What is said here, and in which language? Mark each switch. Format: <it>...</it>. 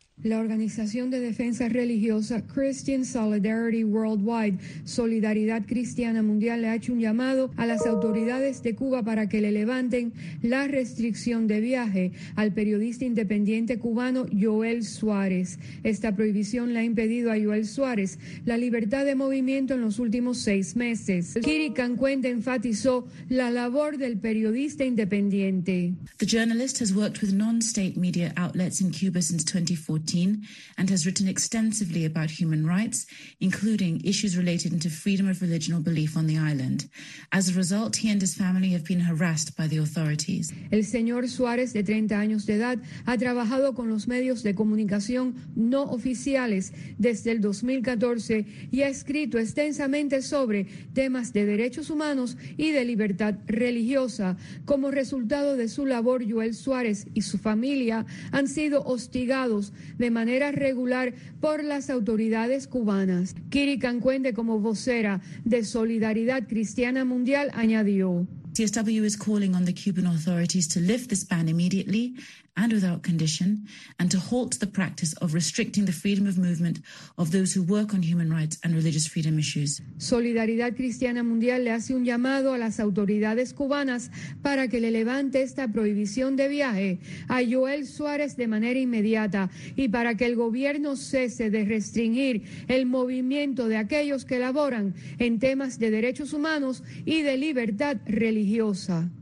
<es>La organización de defensa religiosa Christian Solidarity Worldwide, Solidaridad Cristiana Mundial, le ha hecho un llamado a las autoridades de Cuba para que le levanten la restricción de viaje al periodista independiente cubano Joel Suárez. Esta prohibición le ha impedido a Joel Suárez la libertad de movimiento en los últimos 6 meses. Kiri Cancuente enfatizó la labor del periodista independiente.</es> <en>The journalist has worked with non-state media outlets in Cuba since 2014. And has written extensively about human rights, including issues related to freedom of religion or belief on the island. As a result, he and his family have been harassed by the authorities.</en> <es>El señor Suárez, de 30 años de edad, ha trabajado con los medios de comunicación no oficiales desde el 2014 y ha escrito extensamente sobre temas de derechos humanos y de libertad religiosa. Como resultado de su labor, Joel Suárez y su familia han sido hostigados de manera regular por las autoridades cubanas. Kiri Cancuente, como vocera de Solidaridad Cristiana Mundial, añadió:</es> <en>CSW is calling on the Cuban authorities to lift this ban immediately and without condition, and to halt the practice of restricting the freedom of movement of those who work on human rights and religious freedom issues.</en> <es>Solidaridad Cristiana Mundial le hace un llamado a las autoridades cubanas para que le levante esta prohibición de viaje a Joel Suárez de manera inmediata y para que el gobierno cese de restringir el movimiento de aquellos que laboran en temas de derechos humanos y de libertad religiosa.</es>